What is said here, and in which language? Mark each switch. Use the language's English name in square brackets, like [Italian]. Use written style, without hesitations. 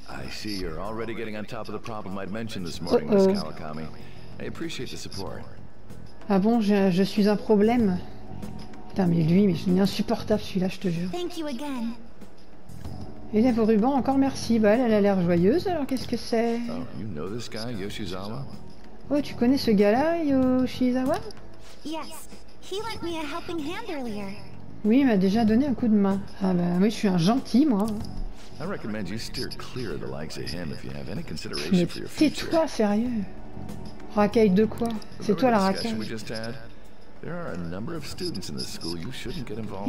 [English] See, you're already getting on top of the problem I'd mentioned this morning, Miss Kawakami. I appreciate the support. [French] Ah bon, je suis un problème. Putain, mais lui, mais je suis insupportable celui-là, je te jure. [English] Thank you again. [French] Et là, vos rubans, encore merci. Bah, elle a l'air joyeuse, alors qu'est-ce que c'est? [English] Oh, you know this guy, Yoshizawa? [French] Oh, tu connais ce gars-là, Yoshizawa? [English] Yes, he lent me a helping hand earlier. [French] Oui, il m'a déjà donné un coup de main. Ah bah, moi, je suis un gentil, moi. [English] I recommend you steer clear of the likes of him if you have any consideration for your future. [French] Mais tais-toi, sérieux. Racaille de quoi? C'est toi la racaille. [English] There are a number of students in this school you shouldn't get involved